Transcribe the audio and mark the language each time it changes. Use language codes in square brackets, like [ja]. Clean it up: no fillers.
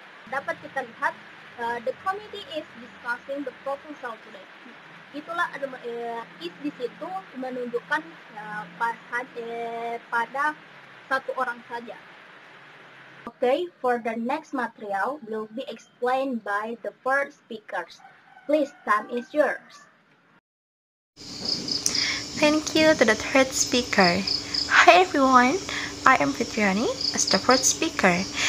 [id] Dapat kita lihat [en] the committee is discussing the proposal today. [id] Itulah is di situ menunjukkan pada satu orang saja. [en] Okay, for the next material will be explained by the first speakers. Please, time is yours. Thank you to the third speaker. Hi everyone, I am Fitriani as the first speaker.